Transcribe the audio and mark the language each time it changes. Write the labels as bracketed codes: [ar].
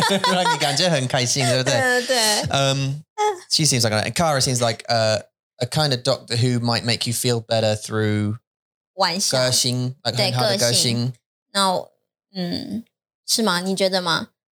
[zh] 让你感觉很开心，对不对？对。 [en] She seems like and Cara seems like a kind of doctor who might make you feel better through [zh] 玩笑，个性，对，很好的个性。那，是吗？你觉得吗？